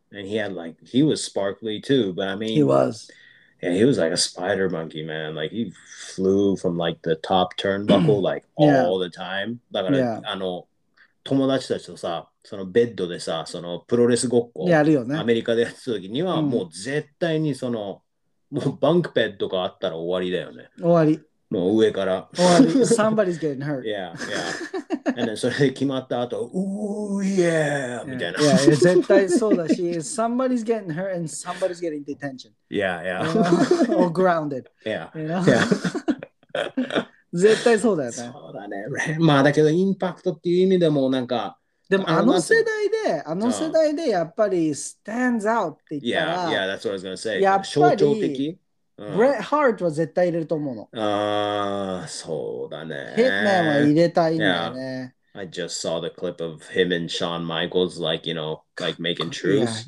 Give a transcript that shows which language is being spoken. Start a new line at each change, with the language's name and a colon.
English: And he had like, he was sparkly too, but I mean, he was. Yeah, he was like a spider monkey, man. Like, he flew from like the top turnbuckle, like all the time.
Japanese: だから、友達たちとさ、そのベッドでさ、そのプロレスごっこ、やるよね、アメリカでやってた時には、もう絶対にその、もうバンクベッドがあったら終わりだよね。終わり。もう上から。終わり。
English: Somebody's getting hurt. Yeah, yeah. And then
Japanese: それで決まった後、
English: Ooh, yeah!
Japanese: みたいな。
English: Yeah, yeah,
Japanese: 絶対そうだし、
English: Somebody's getting hurt and somebody's getting detention. Yeah, yeah. Or grounded. Yeah. You know? Yeah.
Japanese: 絶対そうだよね。そうだね。まあだけど、インパクトっていう意味でもなんか。でもあの世代でやっぱり
English: stands out
Japanese: って言ったら。
English: Yeah, yeah, that's what I was gonna say.
Japanese: やっぱり象徴的。 Bret Hart は絶対入れると思うの。そうだね。 Hitman は入れたいんだよね。
English: Yeah. I just saw the clip of him and Shawn Michaels like, you know, like making truce.